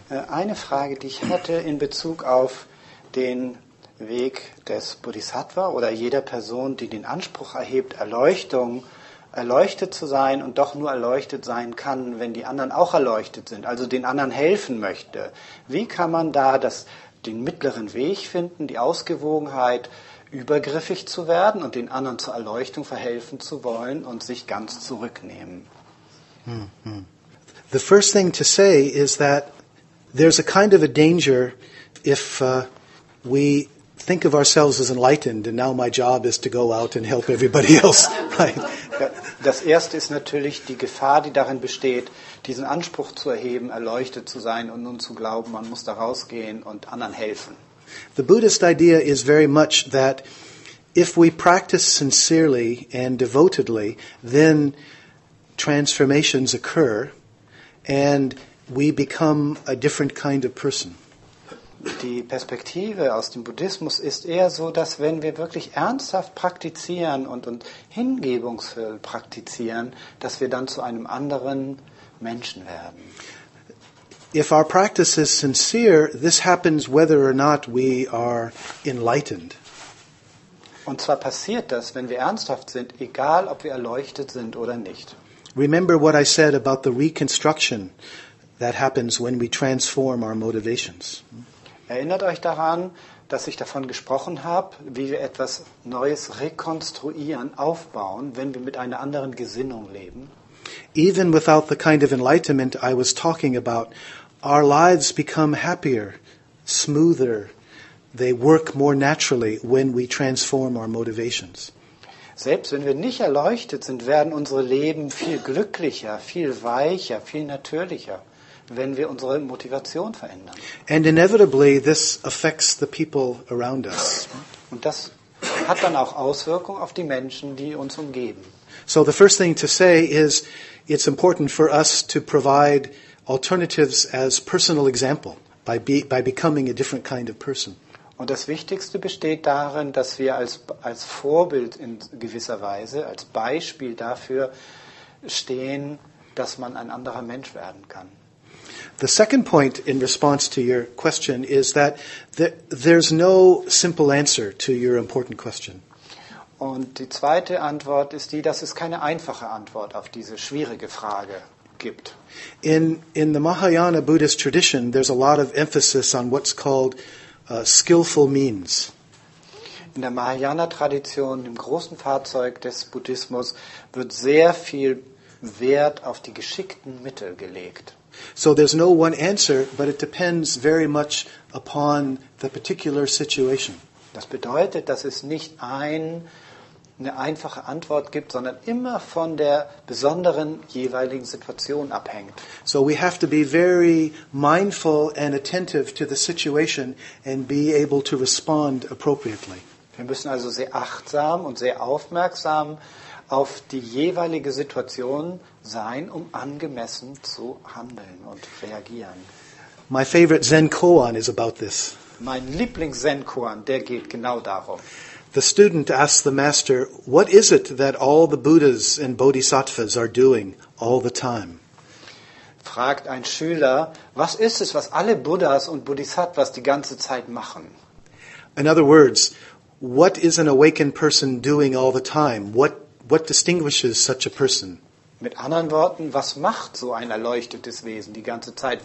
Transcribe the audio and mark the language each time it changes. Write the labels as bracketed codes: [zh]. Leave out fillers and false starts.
[de] Eine Frage, die ich hatte in Bezug auf den Weg des Bodhisattva oder jeder Person, die den Anspruch erhebt, erleuchtet zu sein und doch nur erleuchtet sein kann, wenn die anderen auch erleuchtet sind, also den anderen helfen möchte. Wie kann man da den mittleren Weg finden, die Ausgewogenheit, übergriffig zu werden und den anderen zur Erleuchtung verhelfen zu wollen und sich ganz zurücknehmen? [en] The first thing to say is that there's a kind of a danger if we think of ourselves as enlightened and now my job is to go out and help everybody else. Right? [de] Das erste ist natürlich die Gefahr, die darin besteht, diesen Anspruch zu erheben, erleuchtet zu sein und nun zu glauben, man muss da rausgehen und anderen helfen. [en] The Buddhist idea is very much that if we practice sincerely and devotedly, then transformations occur and we become a different kind of person. [de] Die Perspektive aus dem Buddhismus ist eher so, dass wenn wir wirklich ernsthaft praktizieren und hingebungsvoll praktizieren, dass wir dann zu einem anderen Menschen werden. [en] If our practice is sincere, this happens whether or not we are enlightened. [de] Und zwar passiert das, wenn wir ernsthaft sind, egal ob wir erleuchtet sind oder nicht. [en] Remember what I said about the reconstruction that happens when we transform our motivations. [de] Erinnert euch daran, dass ich davon gesprochen habe, wie wir etwas Neues rekonstruieren, aufbauen, wenn wir mit einer anderen Gesinnung leben. [en] Even without the kind of enlightenment I was talking about, our lives become happier, smoother, they work more naturally when we transform our motivations. [de] Selbst wenn wir nicht erleuchtet sind, werden unsere Leben viel glücklicher, viel weicher, viel natürlicher, wenn wir unsere Motivation verändern. [en] And inevitably this affects the people around us. [de] Und das hat dann auch Auswirkungen auf die Menschen, die uns umgeben. [en] So the first thing to say is it's important for us to provide alternatives as personal example by becoming a different kind of person. [de] Und das Wichtigste besteht darin, dass wir als Vorbild in gewisser Weise, als Beispiel dafür stehen, dass man ein anderer Mensch werden kann. [en] The second point in response to your question is that there's no simple answer to your important question. [de] Und die zweite Antwort ist die, dass es keine einfache Antwort auf diese schwierige Frage gibt. [en] In the Mahayana Buddhist tradition, there's a lot of emphasis on what's called skillful means. [de] In der Mahayana Tradition, dem großen Fahrzeug des Buddhismus, wird sehr viel Wert auf die geschickten Mittel gelegt. [en] So there's no one answer, but it depends very much upon the particular situation. [de] Das bedeutet, dass es nicht eine einfache Antwort gibt, sondern immer von der besonderen jeweiligen Situation abhängt. [en] So we have to be very mindful and attentive to the situation and be able to respond appropriately. [de] Wir müssen also sehr achtsam und sehr aufmerksam auf die jeweilige Situation sein, um angemessen zu handeln und reagieren. [en] My favorite Zen koan is about this. [de] Mein Lieblings-Zen-Koan, der geht genau darum. [en] The student asks the master, what is it that all the Buddhas and Bodhisattvas are doing all the time? [de] Fragt ein Schüler, was ist es, was alle Buddhas und Bodhisattvas die ganze Zeit machen? [en] In other words, what is an awakened person doing all the time? What distinguishes such a person? [de] Mit anderen Worten, was macht so ein erleuchtetes Wesen die ganze Zeit?